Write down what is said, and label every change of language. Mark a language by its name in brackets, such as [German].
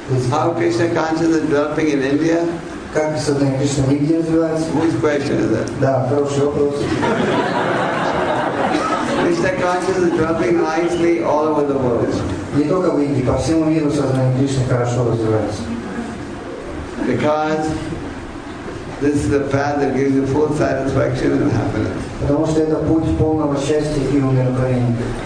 [English] How Krishna consciousness is developing in India? [Russian] Как сознание Кришны в Индии развивается? [English] Which question is that? [Russian] Да, хороший вопрос. [English] Krishna consciousness is developing nicely all over the world. [Russian] Не только в Индии, по всему миру сознание Кришны хорошо развивается. [English] Because this is the path that gives you full satisfaction and happiness. [Russian] Потому что это путь полного счастья и умиротворения.